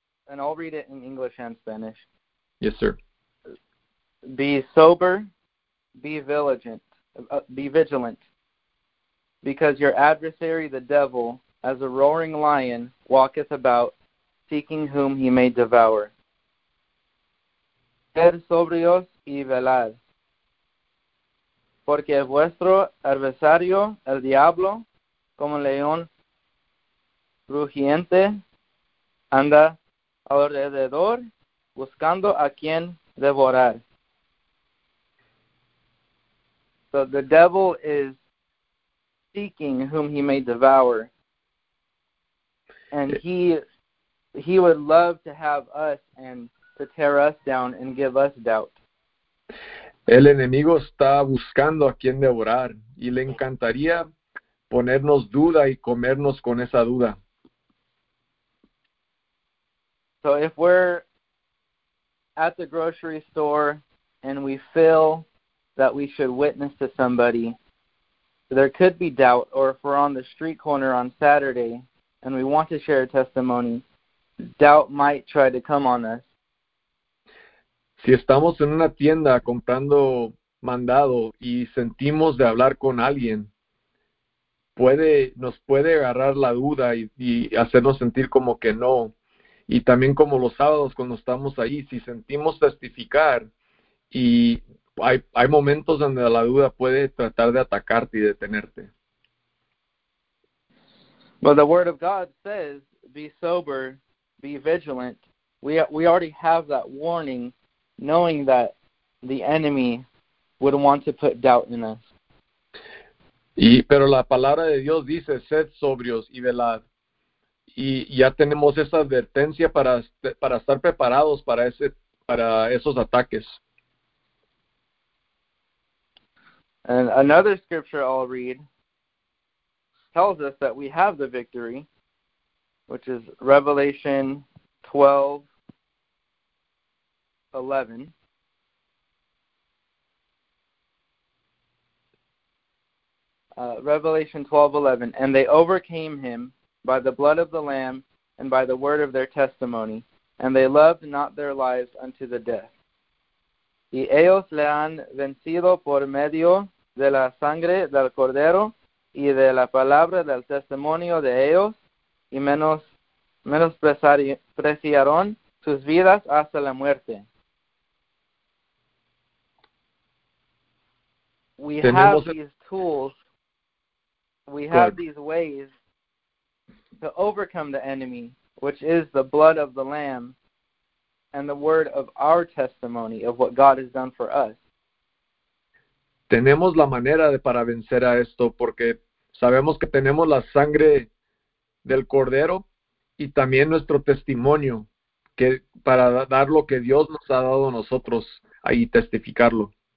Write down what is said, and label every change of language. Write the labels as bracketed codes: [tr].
[en] And I'll read it in English and Spanish. Yes, sir. Be sober, be vigilant, because your adversary, the devil, as a roaring lion, walketh about, seeking whom he may devour. [es] Ser sobrios y velar, porque vuestro adversario, el diablo, como león rugiente, anda alrededor buscando a quien devorar. [en] So the devil is seeking whom he may devour, and he would love to have us and to tear us down and give us doubt. [es] El enemigo está buscando a quien devorar y le encantaría ponernos duda y comernos con esa duda. [en] So if we're at the grocery store and we feel that we should witness to somebody, there could be doubt. Or if we're on the street corner on Saturday and we want to share a testimony, doubt might try to come on us. [es] Si estamos en una tienda comprando mandado y sentimos de hablar con alguien, nos puede agarrar la duda y hacernos sentir como que no. Y también como los sábados cuando estamos ahí, si sentimos testificar y hay momentos donde la duda puede tratar de atacarte y detenerte. [en] Well, the word of God says, be sober, be vigilant. We already have that warning, knowing that the enemy would want to put doubt in us. [es] Pero la palabra de Dios dice, sed sobrios y velad. Y ya tenemos esa advertencia para estar preparados para esos ataques. [en] And another scripture I'll read tells us that we have the victory, which is Revelation 12:11. Revelation 12:11, and they overcame him by the blood of the Lamb and by the word of their testimony, and they loved not their lives unto the death. [es] Y ellos le han vencido por medio de la sangre del Cordero y de la palabra del testimonio de ellos, y menospreciaron sus vidas hasta la muerte. [en] We have [es] Tenemos. [en] these tools, we Go have ahead. these ways to overcome the enemy which is the blood of the Lamb, and the word of our testimony of what God has done for us. [es] Tenemos la manera de para vencer a esto porque sabemos que tenemos la sangre del Cordero y también nuestro testimonio que para dar lo que Dios nos ha dado a nosotros ahí testificarlo.